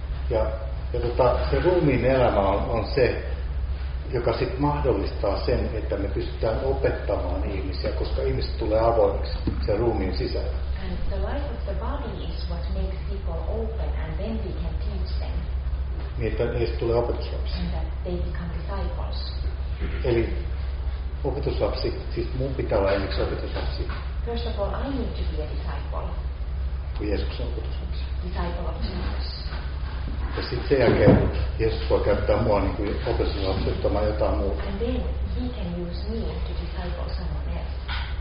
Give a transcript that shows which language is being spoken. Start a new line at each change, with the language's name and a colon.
Finnish: Ja se ruumiin elämä on se, joka sit mahdollistaa sen, että me pystytään opettamaan ihmisiä, koska ihmiset tulee avoimeksi sen ruumiin sisällä.
English: And the life of the body is what makes people open, and then we can teach them.
Finnish: Niin, että heistä tulee opetuslapsi.
English: And that they become disciples.
Finnish: Eli opetuslapsi, siis mun pitää olla ennen opetuslapsi.
English: First of all, I need to be a disciple.
Finnish: Kun Jeesus on opetuslapsi.
English: Disciple of Jesus.
Finnish: Ja sitten sen jälkeen Jeesus voi käyttää mua niin kuin opetuslapsi, että mä jotain muuta.
English: And then he can use me to disciple someone else.